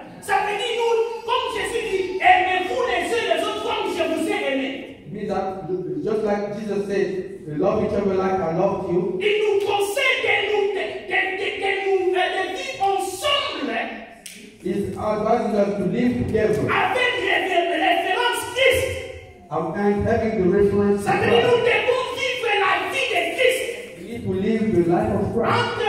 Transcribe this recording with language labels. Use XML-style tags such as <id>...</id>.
<fr>Ça veut dire nous, comme Jésus dit, aimez-vous les uns les autres comme je vous ai aimé.</fr> <en>Means that just like Jesus said, love each other like I loved you.</en> <fr>Il nous conseille de nous vivre ensemble.</fr> <en>He's advising us to live together.</en> <fr>Avec les références Christ.</fr> <en>And having the reference.</en> <fr>Ça veut dire nous devons vivre la vie de Christ.</fr> <en>We need to live the life of Christ.</en>